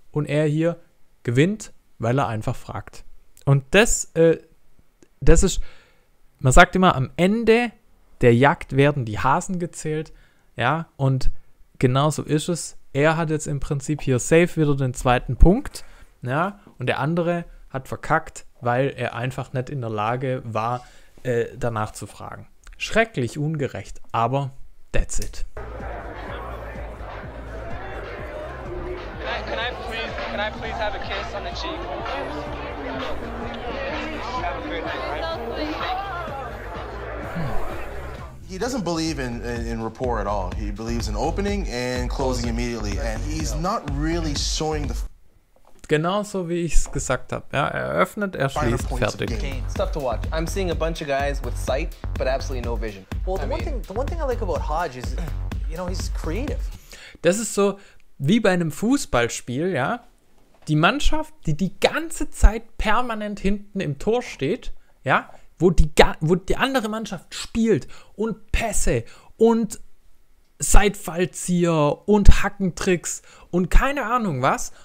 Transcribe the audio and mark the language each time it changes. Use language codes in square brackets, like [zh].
[de] Und er hier gewinnt, weil er einfach fragt. Und das ist, man sagt immer, am Ende der Jagd werden die Hasen gezählt. Ja, und genau so ist es. Er hat jetzt im Prinzip hier safe wieder den zweiten Punkt, ja, und der andere hat verkackt, weil er einfach nicht in der Lage war, danach zu fragen. Schrecklich ungerecht, aber [en] that's it. Can I please have a kiss on the cheek? He doesn't believe in rapport at all. He believes in opening and closing immediately. And he's not really showing the... [de] Genauso wie ich es gesagt habe. Ja, er öffnet, er schließt, fertig. [en] Stuff to watch. I'm seeing a bunch of guys with sight, but absolutely no vision. Well, the one thing I like about Hodge is, you know, he's creative. [de] Das ist so wie bei einem Fußballspiel, ja. Die Mannschaft, die ganze Zeit permanent hinten im Tor steht, ja, wo die andere Mannschaft spielt und Pässe und Seitfallzieher und Hackentricks und keine Ahnung was.